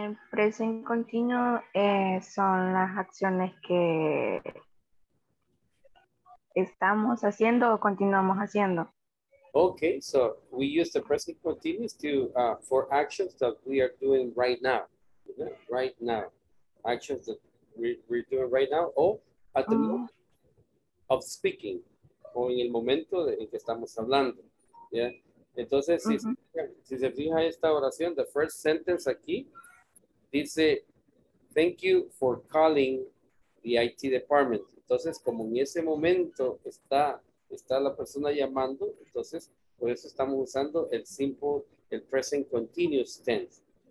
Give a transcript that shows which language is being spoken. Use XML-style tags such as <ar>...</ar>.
<es>Present continuo son las acciones que estamos haciendo o continuamos haciendo.</es> <en>Okay, so we use the present continuous to for actions that we are doing right now. Right now. Actions that we're doing right now or at the moment of speaking.</en> <es>O en el momento en que estamos hablando.</es> <en>Yeah.</en> <es>Entonces, si se fija esta oración,</es> <en>the first sentence</en> <es>aquí, dice,</es> <en>thank you for calling the IT department.</en> <es>Entonces, como en ese momento está la persona llamando, entonces, por eso estamos usando el simple, el present continuous tense.</es>